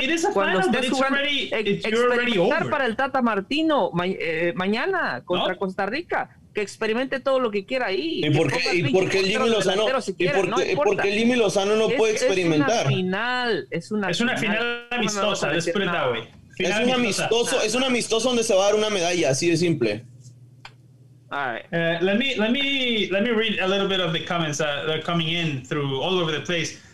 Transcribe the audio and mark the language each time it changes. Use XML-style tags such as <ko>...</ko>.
<en>It is a final, but it's already over.</en> <es>Para el Tata Martino mañana contra Costa Rica. Que experimente todo lo que quiera ahí. ¿Y por qué Jimmy Lozano no puede experimentar? Es una final amistosa.</es> <en>Let's put it that way.</en> <es>Es un amistoso donde se va a dar una medalla, así de simple.</es> <en>All right. Let me read a little bit of the comments that are coming in through all over the place.</en>